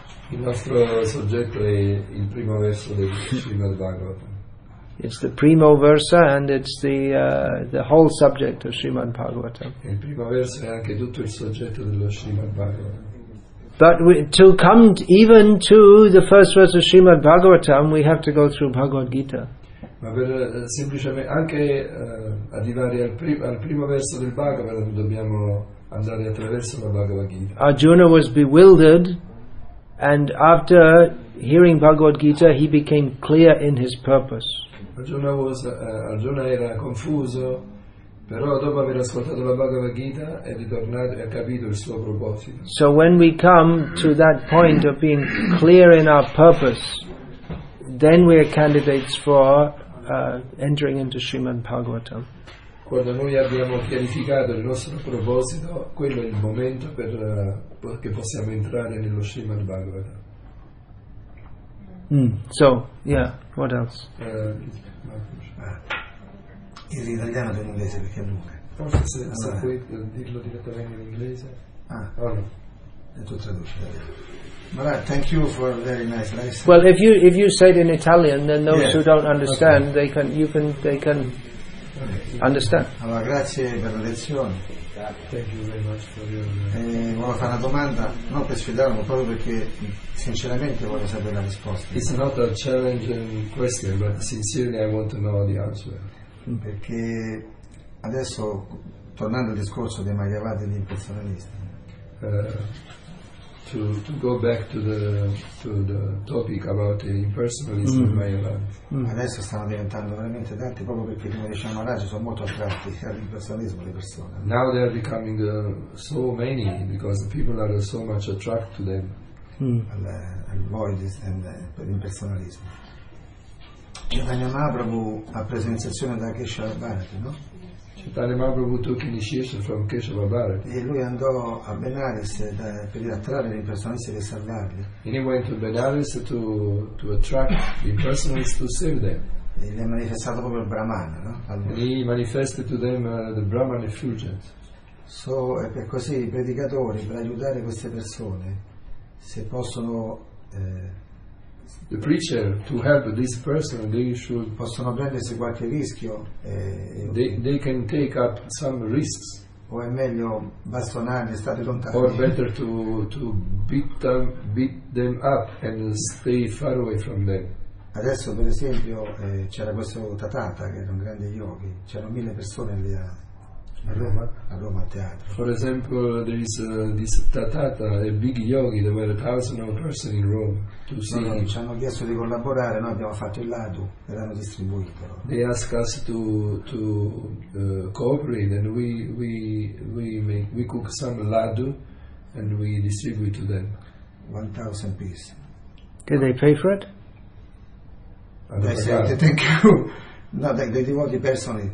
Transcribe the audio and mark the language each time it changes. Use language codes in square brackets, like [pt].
[it] Il nostro soggetto è il primo verso del Srimad Bhagavatam. [en] It's the [it] primo verso [en] and it's the whole subject of Srimad Bhagavatam. [it] Il primo verso è anche tutto il soggetto dello Srimad Bhagavatam. [en] But to come even to the first verse of Srimad Bhagavatam, we have to go through Bhagavad Gita. [it] Ma per semplicemente anche arrivare al primo verso del Bhagavatam dobbiamo andare attraverso la Bhagavad Gita. [en] Arjuna was bewildered, and after hearing Bhagavad Gita, he became clear in his purpose. [it] Arjuna era confuso, però dopo aver ascoltato la Bhagavad Gita è ritornato e ha capito il suo proposito. [en] So when we come to that point of being clear in our purpose, then we are candidates for entering into Srimad Bhagavatam. [it] Quando noi abbiamo chiarificato il nostro proposito, quello è il momento per che possiamo entrare nello Srimad Bhagavatam. [en] So, yeah, what else? [it] In italiano o in inglese, perché è lunga. Forse se puoi dirlo direttamente in inglese. Ah, no. È tutto traduce. [en] Maraj, thank you for a very nice lesson. Well, if you say it in Italian, then those who don't understand, okay, they can okay, understand. [it] Allora, grazie per la lezione. [en] Thank you very much for your. [it] Voglio fare una domanda, non per sfidare, ma proprio perché sinceramente voglio sapere la risposta. [en] It's not a challenging question, but sincerely I want to know the answer. [it] Perché adesso, tornando al discorso dei Mayavadi e degli impersonalisti. [en] To go back to the topic about the impersonalism in Mayavada. [it] Adesso stanno diventando veramente tanti, proprio perché come diciamo oggi sono molto attratti all'impersonalismo le persone. [en] Now they are becoming so many because the people are so much attracted to them. [it] Al [en] void and [it] per l'impersonalismo. Chaitanya Mahaprabhu ha preso iniziazione da Kesava Bharati, no? [en] Chaitanya Mahaprabhu took initiation from Kesava Bharati. [it] E lui andò a Benares per attrarre gli impersonalisti e salvarli. [en] And he went to Benares to attract the impersonalists to save them. [it] E gli ha manifestato proprio il Brahmana, no? [en] And he manifested to them the Brahman effulgence. [it] So, e per così i predicatori, per aiutare queste persone, se possono. [en] The preacher to help this person, they should [it] possono prendersi qualche rischio. [en] They can take up some risks. [it] O è meglio bastonarli e stare lontani. [en] Or better to beat them up and stay far away from them. [it] Adesso, per esempio, c'era questo Tathagata che era un grande yogi. C'erano mille persone lì. a Roma teatro. [en] For example, there is this Tatata, a big yogi, there were 1,000 persons in Rome to see. [it] No, ci hanno chiesto di collaborare, noi abbiamo fatto il lato, erano distribuito. [en] They asked us to cooperate and we cook some ladu and we distribute to them. 1,000 pieces. Did they pay for it? Thank you. No, the devotee personally.